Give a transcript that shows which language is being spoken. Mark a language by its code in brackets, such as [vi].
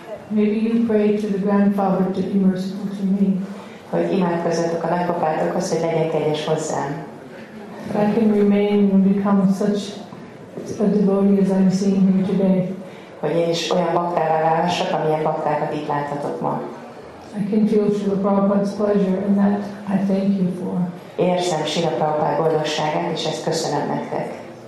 [en] Maybe you pray to the grandfather to be merciful to me. [hu] Hogy imádkozzatok a nagypapátokhoz, hogy legyen kedves hozzám. [en] I can remain and become such a devotee as I'm seeing here today. [hu] Hogy én is olyan baktává válhassak, amilyen baktákat itt láthatok ma. [en] I can feel Srila Prabhupada's pleasure, and that I thank you for. [hu] Érzem Srila Prabhupada boldogságát, és ezt köszönöm nektek.